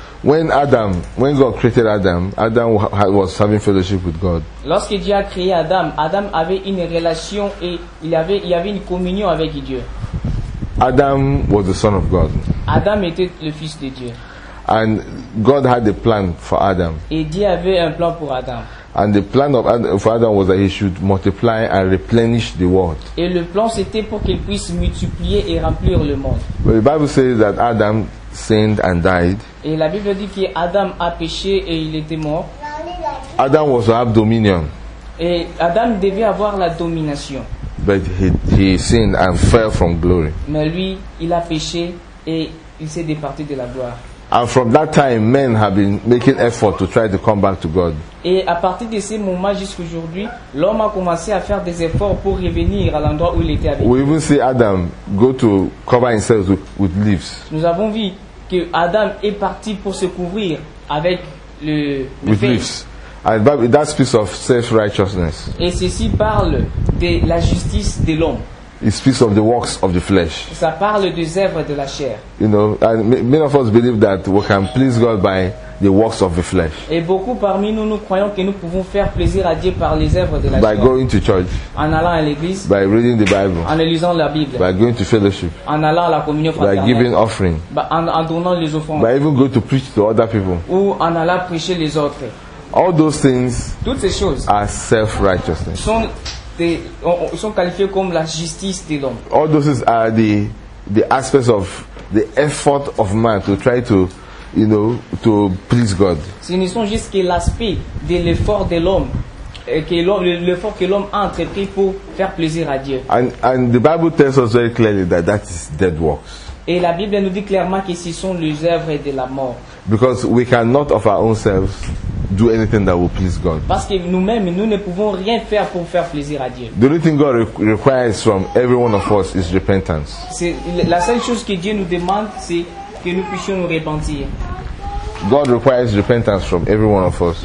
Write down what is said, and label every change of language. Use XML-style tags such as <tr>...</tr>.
<en>When God created Adam, Adam was having fellowship with God.</en> <fr>Lorsque Dieu a créé Adam, Adam avait une relation et il y avait une communion avec Dieu.</fr> <en>Adam was the son of God.</en> <fr>Adam était le fils de Dieu.</fr> <en>And God had a plan for Adam.</en> <fr>Et Dieu avait un plan pour Adam.</fr> <en>And the plan of Adam, for Adam was that he should multiply and replenish the world.</en> <fr>Et le plan c'était pour qu'il puisse multiplier et remplir le monde.</fr> <en>But the Bible says that Adam sinned and died.</en> <fr>Et la Bible dit que Adam a péché et il était mort.</fr> <en>Adam was to have dominion.</en> <fr>Et Adam devait avoir la domination.</fr> <en>But he sinned and fell from glory.</en> <fr>Mais lui, il a péché et il s'est départi de la gloire.</fr> <en>And from that time, men have been making effort to try to come back to God.</en> <fr>Et à partir de ce moment jusqu'à aujourd'hui, l'homme a commencé à faire des efforts pour revenir à l'endroit où il était avec.</fr> <en>We even see Adam go to cover himself with leaves.</en> <fr>Nous avons vu que Adam est parti pour se couvrir avec le</fr> <en>with leaves. And that speaks of self-righteousness.</en> <fr>Et ceci parle de la justice de l'homme.</fr> <en>It speaks of the works of the flesh.</en> <fr>Ça parle des œuvres de la chair.</fr> <en>You know, and many of us believe that we can please God by the works of the flesh.</en> <fr>Et beaucoup parmi nous, nous croyons que nous pouvons faire plaisir à Dieu par les œuvres de la chair.</fr> <en>By going to church.</en> <fr>En allant à l'église.</fr> <en>By reading the Bible.</en> <fr>En lisant la Bible.</fr> <en>By going to fellowship.</en> <fr>En allant à la communion fraternelle.</fr> <en>By giving offering.</en> <fr>En donnant les offrandes.</fr> <en>By even going to preach to other people.</en> <fr>Ou en allant prêcher les autres.</fr> <en>All those things.</en> <fr>Toutes ces choses.</fr> <en>Are self-righteousness.</en> <fr>Sont qualifiés comme la justice de l'homme.</fr> <en>All those are the the aspects of the effort of man to try to, you know, to please God.</en> <fr>Ce ne sont juste que l'aspect de l'effort de l'homme. L'effort que l'homme a entrepris pour faire plaisir à Dieu.</fr> <en>And the Bible tells us very clearly that that is dead works.</en> <fr>Et la Bible nous dit clairement que ce sont les œuvres de la mort.</fr> <en>Because we cannot of our own selves do anything that will please God.</en> <fr>Parce que nous-mêmes, nous ne pouvons rien faire pour faire plaisir à Dieu.</fr> <en>The only thing God requires from every one of us is repentance.</en> <fr>C'est la seule chose que Dieu nous demande, c'est que nous puissions nous repentir.</fr> <en>God requires repentance from every one of us.</en>